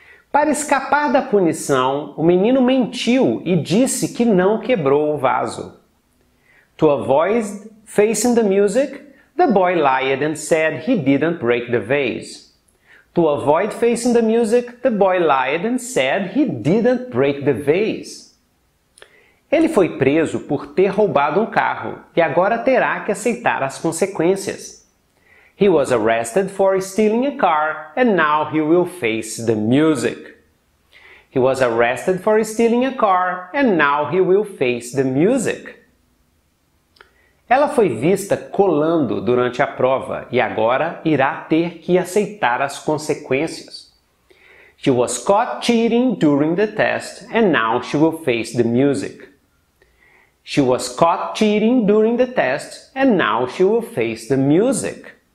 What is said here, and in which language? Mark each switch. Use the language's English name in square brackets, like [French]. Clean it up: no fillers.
[Portuguese] Para escapar da punição, o menino mentiu e disse que não quebrou o vaso. [English] To avoid facing the music, the boy lied and said he didn't break the vase. To avoid facing the music, the boy lied and said he didn't break the vase. [Portuguese] Ele foi preso por ter roubado um carro e agora terá que aceitar as consequências. [English] He was arrested for stealing a car and now he will face the music. He was arrested for stealing a car and now he will face the music. [Portuguese] Ela foi vista colando durante a prova e agora irá ter que aceitar as consequências. [English] She was caught cheating during the test and now she will face the music. She was caught cheating during the test and now she will face the music.